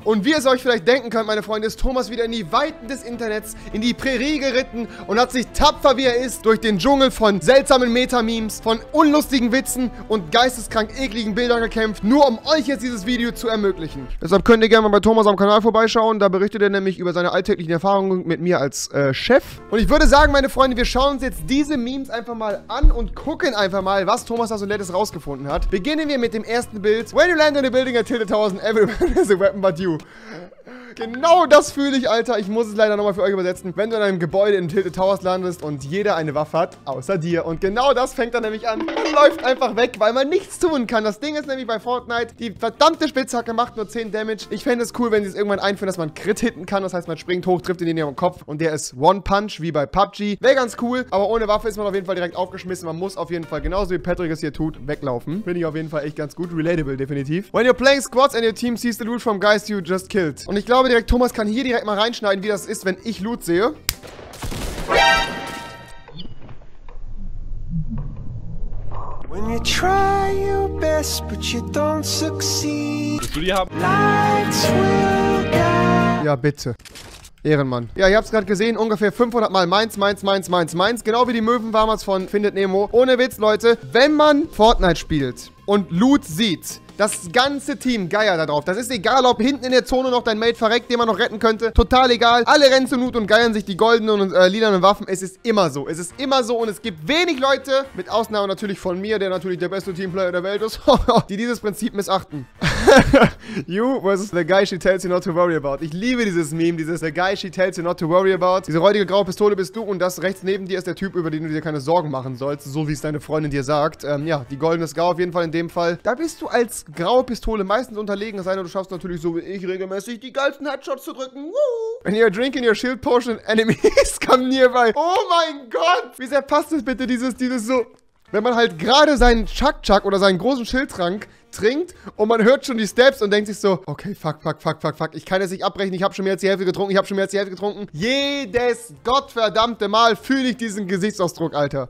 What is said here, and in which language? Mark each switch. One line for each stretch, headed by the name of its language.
German: Und wie ihr es euch vielleicht denken könnt, meine Freunde, ist Thomas wieder in die Weiten des Internets, in die Prärie geritten und hat sich tapfer, wie er ist, durch den Dschungel von seltsamen Meta-Memes, von unlustigen Witzen und geisteskrank ekligen Bildern gekämpft, nur um euch jetzt dieses Video zu ermöglichen. Deshalb könnt ihr gerne mal bei Thomas am Kanal vorbeischauen. Da berichtet er nämlich über seine alltäglichen Erfahrungen mit mir als Chef. Und ich würde sagen, meine Freunde, wir schauen uns jetzt diese Memes einfach mal an und gucken einfach mal, was Thomas da so nettes rausgefunden hat. Beginnen wir mit dem ersten Bild.
English: When you land in a building at Tilted Towers, everyone has a weapon but you.
German: Genau das fühle ich, Alter. Ich muss es leider nochmal für euch übersetzen. Wenn du in einem Gebäude in Tilted Towers landest und jeder eine Waffe hat, außer dir. Und genau das fängt dann nämlich an. Man läuft einfach weg, weil man nichts tun kann. Das Ding ist nämlich bei Fortnite, die verdammte Spitzhacke macht nur 10 Damage. Ich fände es cool, wenn sie es irgendwann einführen, dass man Crit hitten kann. Das heißt, man springt hoch, trifft ihn in ihrem Kopf und der ist One Punch, wie bei PUBG. Wäre ganz cool, aber ohne Waffe ist man auf jeden Fall direkt aufgeschmissen. Man muss auf jeden Fall, genauso wie Patrick es hier tut, weglaufen. Finde ich auf jeden Fall echt ganz gut. Relatable, definitiv.
English: When you're playing squads and your team sees the loot from guys you just killed.
German: Und ich glaube, direkt Thomas kann hier direkt mal reinschneiden, wie das ist, wenn ich Loot sehe.
English: When you try your best, but you don't succeed.
German: Willst du die haben? Ja, bitte. Ehrenmann. Ja, ihr habt es gerade gesehen, ungefähr 500 Mal meins, meins, meins, meins, meins. Genau wie die Möwen damals von Findet Nemo. Ohne Witz, Leute, wenn man Fortnite spielt und Loot sieht, das ganze Team geiert da drauf. Das ist egal, ob hinten in der Zone noch dein Mate verreckt, den man noch retten könnte. Total egal. Alle rennen zu Loot und geiern sich die goldenen und lilanen Waffen. Es ist immer so. Es ist immer so und es gibt wenig Leute, mit Ausnahme natürlich von mir, der natürlich der beste Teamplayer der Welt ist, die dieses Prinzip missachten.
English: You versus the guy she tells you not to worry about.
German: Ich liebe dieses Meme, dieses
English: the guy she tells you not to worry about.
German: Diese räudige graue Pistole bist du und das rechts neben dir ist der Typ, über den du dir keine Sorgen machen sollst, so wie es deine Freundin dir sagt. Ja, die goldene Scar auf jeden Fall in dem Fall. Da bist du als graue Pistole meistens unterlegen, es sei denn, du schaffst natürlich so wie ich regelmäßig die geilsten Headshots zu drücken. Woo!
English: When you're drinking your shield potion, enemies come nearby.
German: Oh mein Gott! Wie sehr passt das bitte, dieses so... Wenn man halt gerade seinen Chuck-Chuck oder seinen großen Schildtrank trinkt und man hört schon die Steps und denkt sich so, okay, fuck, fuck, fuck, fuck, fuck, ich kann jetzt nicht abbrechen, ich habe schon mehr als die Hälfte getrunken, ich habe schon mehr als die Hälfte getrunken. Jedes gottverdammte Mal fühle ich diesen Gesichtsausdruck, Alter.